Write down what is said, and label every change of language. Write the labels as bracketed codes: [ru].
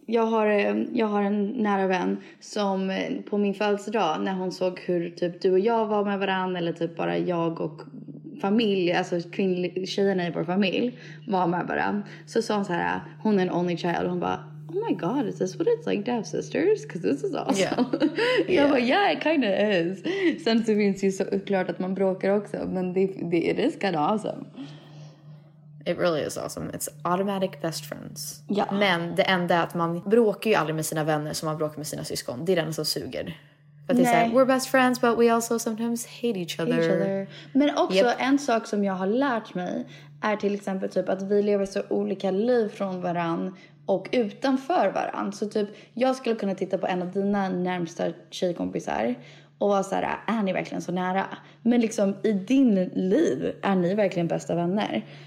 [sv] Jag har en nära vän som på min födelsedag, när hon såg hur typ du och jag var med varann, eller typ bara jag och familj, alltså tjejerna i vår familj var med varann, så sa hon så här, hon är en only child, och hon bara, [en] oh my god, is this what it's like to have sisters? Because this is awesome. Yeah. [sv] Jag bara, [en] yeah, it kind of is. [sv] Sen så finns det ju så klart att man bråkar också, men [en] it is kind of awesome. It really is awesome. It's automatic best friends. [sv] Ja. Men det enda är att man bråkar ju aldrig med sina vänner som man bråkar med sina syskon. Det är den som suger. [en] But they say, we're best friends, but we also sometimes hate each other. [sv] Men också en sak som jag har lärt mig är till exempel typ att vi lever så olika liv från varann och utanför varann. Så typ, jag skulle kunna titta på en av dina närmsta tjejkompisar och vara såhär, är ni verkligen så nära? Men liksom, i din liv är ni verkligen bästa vänner.